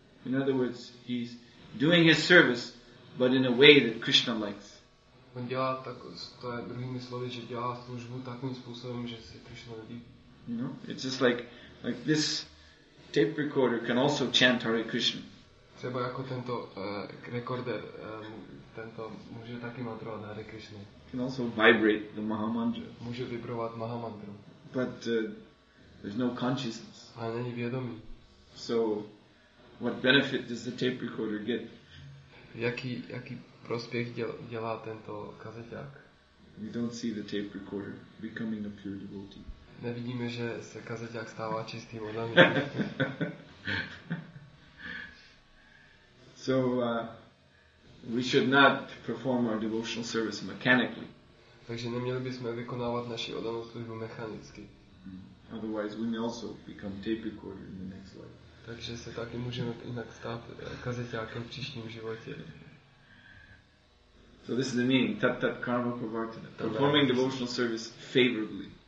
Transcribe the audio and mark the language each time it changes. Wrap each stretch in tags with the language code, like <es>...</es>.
<en>In other words, he's doing his service, but in a way that Krishna likes.</en> <cs>On dělá tak, to je druhými slovy, že dělá službu takovým způsobem, že se Krishna líbí.</cs> <en>You know, it's just like this tape recorder can also chant Hare Krishna.</en> <cs>třeba jako tento rekorder, tento může taky mantrovat Hare Krishna.</cs> <en>Can also vibrate the Mahamantra.</en> <cs>Může vibrovat Mahamantru.</cs> <en>But there's no consciousness.</en> <cs>Ale není vědomí.</cs> <en>So what benefit does the tape recorder get?</en> <cs>Jaký prospěch dělá tento kazeťák?</cs> <en>We don't see the tape recorder becoming a pure devotee.</en> <cs>Nevidíme, že se kazeťák stává čistým oddaným.</cs> <en>So we should not perform our devotional service mechanically.</en> <cs>Takže neměli bychom vykonávat naši oddanou službu mechanicky.</cs> <en>Otherwise we may also become tape recorder in the next life.</en> <cs>Takže se taky můžeme jinak stát kazeťákem v příštím životě.</cs> <en>So this is the meaning,</en> <sa>tat tat karma pravartana.</sa> <en>Performing devotional service favorably.</en>